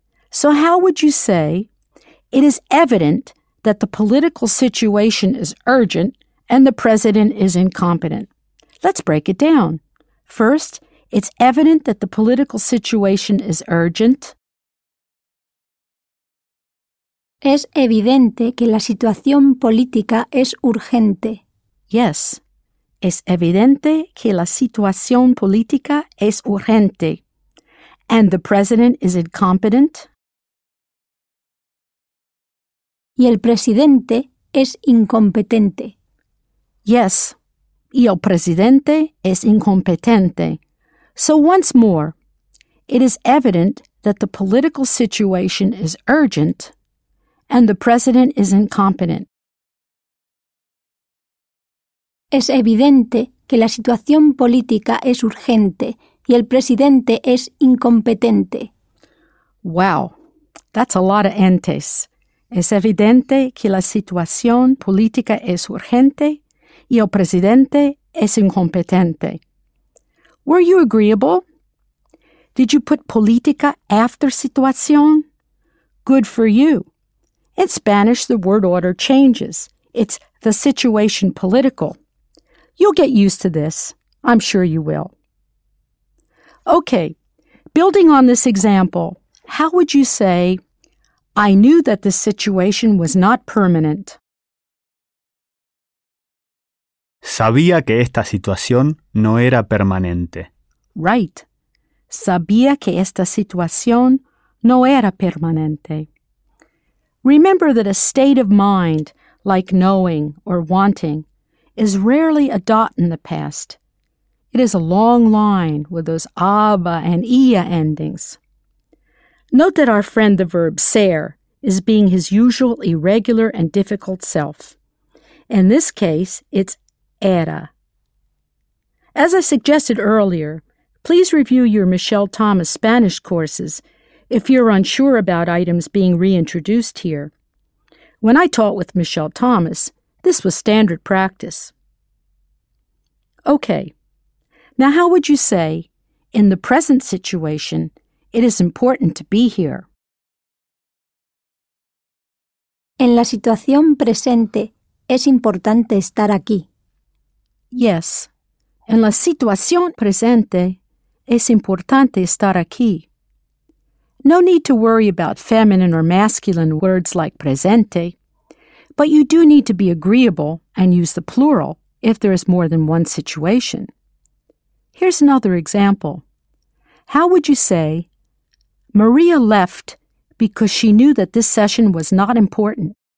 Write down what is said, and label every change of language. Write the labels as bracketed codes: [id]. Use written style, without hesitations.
[en] So how would you say, it is evident that the political situation is urgent and the president is incompetent? Let's break it down. First, it's evident that the political situation is urgent. [es] Es evidente que la situación política es urgente. [en] Yes. [es] Es evidente que la situación política es urgente. [en] And the president is incompetent. [es] Y el presidente es incompetente. [en] Yes. [es] Y el presidente es incompetente. [en] So once more, it is evident that the political situation is urgent and the president is incompetent. [es] Es evidente que la situación política es urgente y el presidente es incompetente. [en] Wow, that's a lot of entes. [es] Es evidente que la situación política es urgente y el presidente es incompetente. [en] Were you agreeable? Did you put política after situación? Good for you. In Spanish, the word order changes. It's the situation political. You'll get used to this. I'm sure you will. Okay, building on this example, how would you say, I knew that the situation was not permanent? [es] Sabía que esta situación no era permanente. [en] Right. [es] Sabía que esta situación no era permanente. [en] Remember that a state of mind, like knowing or wanting, is rarely a dot in the past. It is a long line with those aba and ia endings. Note that our friend the verb ser is being his usual irregular and difficult self. In this case, it's era. As I suggested earlier, please review your Michelle Thomas Spanish courses if you're unsure about items being reintroduced here. When I taught with Michelle Thomas, this was standard practice. Okay, now how would you say, in the present situation, it is important to be here? [es] En la situación presente, es importante estar aquí. [en] Yes, [es] en la situación presente, es importante estar aquí. [en] No need to worry about feminine or masculine words like presente, but you do need to be agreeable and use the plural if there is more than one situation. Here's another example. How would you say, Maria left because she knew that this session was not important.